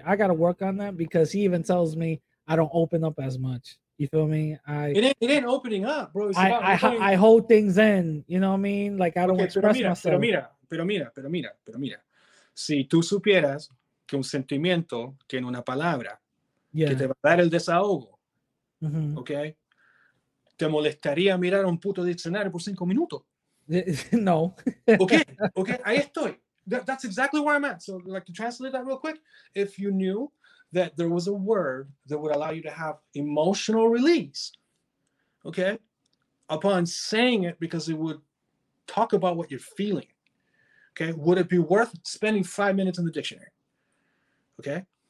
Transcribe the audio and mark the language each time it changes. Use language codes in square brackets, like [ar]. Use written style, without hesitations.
[en] I got to work on that because he even tells me I don't open up as much. You feel me? It ain't opening up, bro. I hold things in, you know what I mean? Like I don't express myself. [es] Pero mira. Si tú supieras que un sentimiento tiene una palabra que te va a dar el desahogo, okay, te molestaría mirar a un puto diccionario por 5 minutos. No. [en] Okay, [es] ahí estoy. [en] That's exactly where I'm at. So, like, to translate that real quick, if you knew that there was a word that would allow you to have emotional release, okay, upon saying it because it would talk about what you're feeling, okay, would it be worth spending 5 minutes in the dictionary? Okay.